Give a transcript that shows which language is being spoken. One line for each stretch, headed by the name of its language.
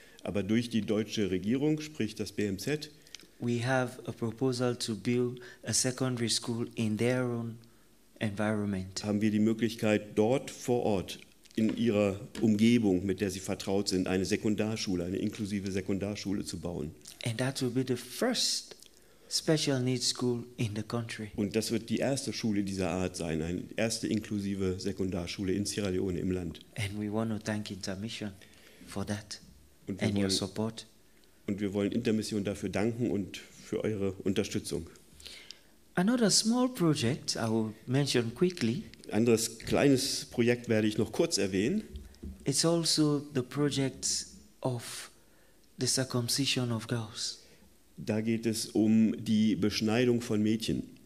German: Aber durch die deutsche Regierung, sprich das BMZ,
English: we have a proposal to build a secondary school in their own environment.
German: Haben wir die Möglichkeit, dort vor Ort, in ihrer Umgebung, mit der sie vertraut sind, eine Sekundarschule, eine inklusive Sekundarschule zu bauen.
English: And that will be the first special needs school in the country.
German: Und das wird die erste Schule dieser Art sein, eine erste inklusive Sekundarschule in Sierra Leone im Land.
English: And we want to thank Intermission for that. And your support.
German: Und wir wollen Intermission dafür danken und für eure Unterstützung.
English: Another small project I will mention quickly.
German: Anderes kleines Projekt werde ich noch kurz erwähnen.
English: It's also the project of the circumcision of girls.
German: Da geht es um die Beschneidung von Mädchen.